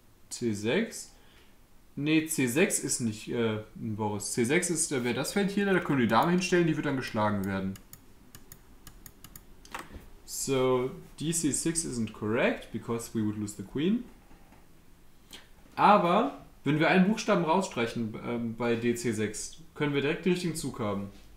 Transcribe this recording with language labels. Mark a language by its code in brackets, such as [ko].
[de] C6? Nee, C6 ist nicht Boris. C6 ist, wäre das Feld hier, da können wir die Dame hinstellen, die wird dann geschlagen werden. [en] So, DC6 isn't correct, because we would lose the queen. [de] Aber wenn wir einen Buchstaben rausstreichen bei DC6, können wir direkt den richtigen Zug haben.